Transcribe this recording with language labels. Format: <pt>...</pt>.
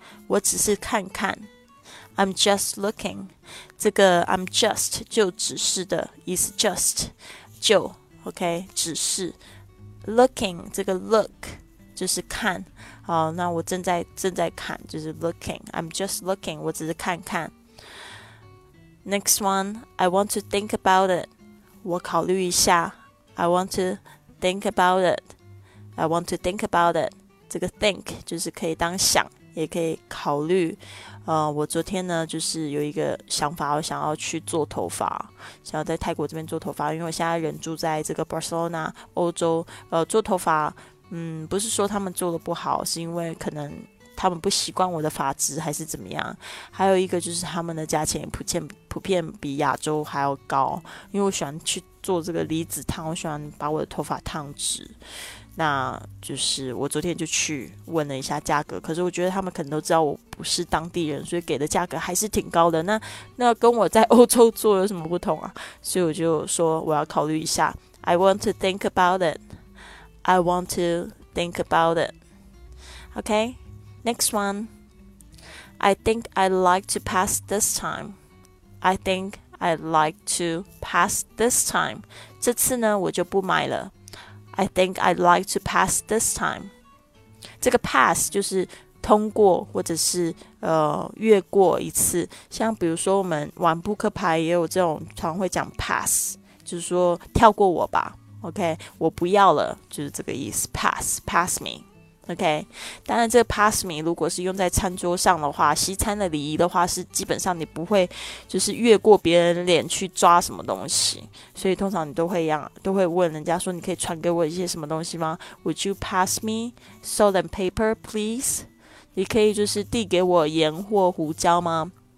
<zh>我只是看看。</zh> <en>I'm just looking.</en> <zh>这个</zh> <en>I'm just</en> <zh>就只是的意思 just 就 OK 只是 looking 这个 look 就是看。好，那我正在看，就是 looking.</zh> <en>I'm just looking.</en> <zh>我只是看看。</zh> <en>Next one, I want to think about it.</en> <zh>我考虑一下。</zh> <en>I want to think about it. I want to think about it.</en> <zh>这个 think 就是可以当想，也可以考虑。我昨天呢，就是有一个想法，我想要去做头发，想要在泰国这边做头发，因为我现在人住在这个 Barcelona， 欧洲。做头发。不是说他们做的不好，是因为可能他们不习惯我的发质还是怎么样，还有一个就是他们的价钱普遍比亚洲还要高，因为我喜欢去做这个离子烫，我喜欢把我的头发烫直，那就是我昨天就去问了一下价格，可是我觉得他们可能都知道我不是当地人，所以给的价格还是挺高的，那跟我在欧洲做有什么不同啊，所以我就说我要考虑一下。</zh> <en>I want to think about itI want to think about it. Okay, next one. I think I'd like to pass this time. I think I'd like to pass this time.</en> <zh>这次呢，我就不买了。</zh> <en>I think I'd like to pass this time.</en> <zh>这个 pass 就是通过或者是越过一次。像比如说我们玩扑克牌也有这种，常会讲 pass，就是说跳过我吧 OK 我不要了就是这个意思</zh> <en>pass me</en> <zh>OK 当然这个 pass me 如果是用在餐桌上的话西餐的礼仪的话是基本上你不会就是越过别人脸去抓什么东西所以通常你都会一样都会问人家说你可以传给我一些什么东西吗</zh> <en>Would you pass me salt and paper please</en> <zh>你可以就是递给我盐或胡椒吗</zh>